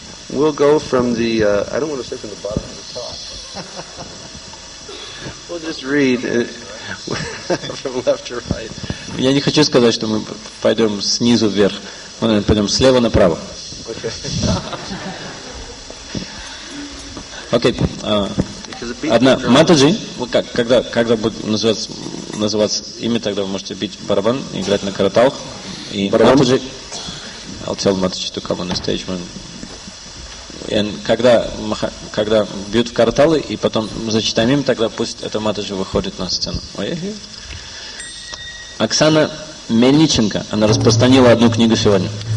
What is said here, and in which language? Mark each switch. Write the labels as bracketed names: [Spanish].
[English] We'll go from the I don't want to say from the bottom to the top. We'll just read from left to right. [Russian] Я не хочу сказать, что мы пойдем снизу вверх. Мы пойдем слева направо. Окей. Одна. Матаджи, как, когда будет называться имя, тогда вы можете бить барабан, играть на караталах. И барабан. Матаджи. [English] I'll tell Matuji to come on the stage when. [Russian] And когда бьют в карталы, и потом зачитаем им, тогда пусть эта Матаджи выходит на сцену. Оксана Мельниченко, она распространила одну книгу сегодня.